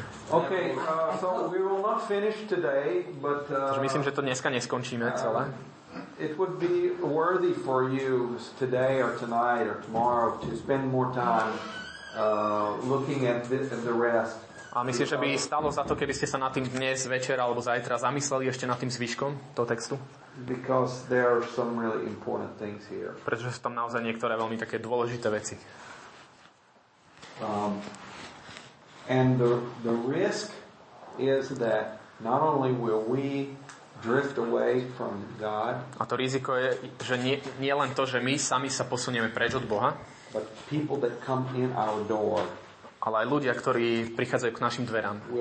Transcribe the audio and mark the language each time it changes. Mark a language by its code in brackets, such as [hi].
[en] Okay, so we will not finish today, but [sk] myslím, že to dneska neskončíme celé. [en] It would be worthy for you today or tonight or tomorrow to spend more time looking at this and the rest. [sk] A myslím, že by stalo za to, keby ste sa na tým dnes, večer alebo zajtra zamysleli ešte nad tým zvyškom toho textu. [en] Because there are some really important things here. [sk] Pretože sú tam naozaj niektoré veľmi také dôležité veci. [en] And the risk is that not only will we drift away from God. [sk] A to riziko je, že nie len to, že my sami sa posunieme preč od Boha. [en] But people that come in our door. [sk] Ale aj ľudia, ktorí prichádzajú k našim dverám.